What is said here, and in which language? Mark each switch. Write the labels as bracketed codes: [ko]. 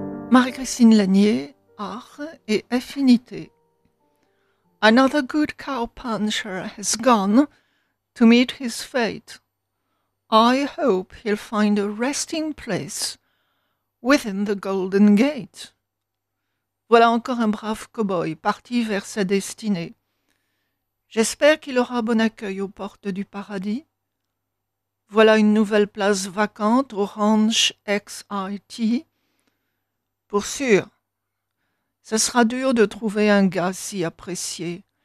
[fr] Marie-Christine Lanier, Art et Affinité. [en] Another good cowpuncher has gone to meet his fate. I hope he'll find a resting place within the Golden Gate. [fr] Voilà encore un brave cow-boy parti vers sa destinée. J'espère qu'il aura bon accueil aux portes du paradis. Voilà une nouvelle place vacante au Ranch XIT. Pour sûr, ce sera dur de trouver un gars si apprécié.